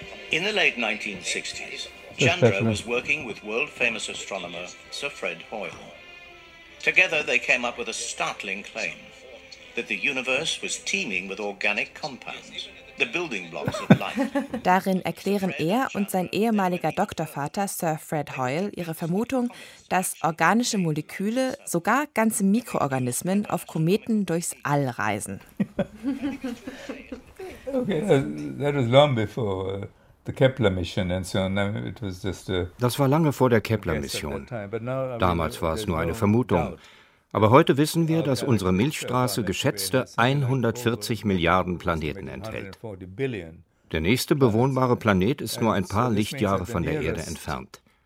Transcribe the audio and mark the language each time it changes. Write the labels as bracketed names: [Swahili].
[English] In the late 1960s, Chandra was working with world-famous astronomer Sir Fred Hoyle. Together they came up with a startling claim that the universe was teeming with organic compounds. [German] Darin erklären er und sein ehemaliger Doktorvater Sir Fred Hoyle ihre Vermutung, dass organische Moleküle, sogar ganze Mikroorganismen, auf Kometen durchs All reisen. [English] Okay, that was long before the Kepler mission and so on. It was just a. [German] Das war lange vor der Kepler-Mission. Damals war es nur eine Vermutung. Aber heute wissen wir, dass unsere Milchstraße geschätzte 140 Milliarden Planeten enthält. Der nächste bewohnbare Planet ist nur ein paar Lichtjahre von der Erde entfernt.